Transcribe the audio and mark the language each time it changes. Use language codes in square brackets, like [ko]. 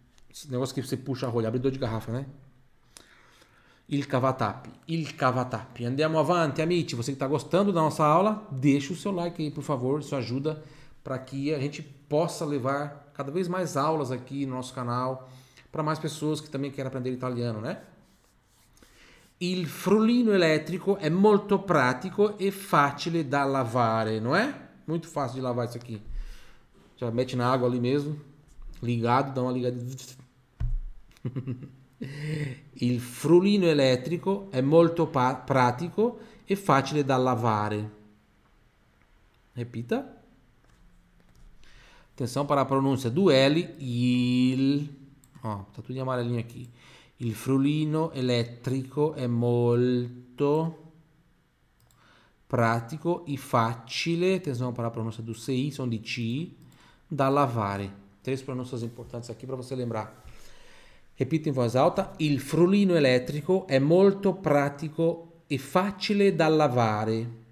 [pt] Esse negócio que você puxa a rolha, abridor de garrafa, né? Il Cavatap. Il Cavatap. [it] Andiamo avanti, amici. [pt] Você que está gostando da nossa aula, deixa o seu like aí, por favor. Isso ajuda para que a gente possa levar cada vez mais aulas aqui no nosso canal para mais pessoas que também querem aprender italiano, né? [it] Il frullino elettrico è molto pratico e facile da lavare, non è? Molto facile di lavare questo qui. [pt] Già metti na água ali mesmo. Ligado, dá uma ligada. [it] Il frullino elettrico è molto pratico e facile da lavare. Repita. Attenzione per la pronuncia. Due L. [pt] Tá tudo em amarelinho aqui. [it] Il frullino elettrico è molto pratico e facile. Attenzione per la pronuncia do CI, sono di CI. Da lavare. [pt] Três pronúncias importantes aqui para você lembrar. Repita em voz alta. [it] Il frullino elettrico è molto pratico e facile da lavare.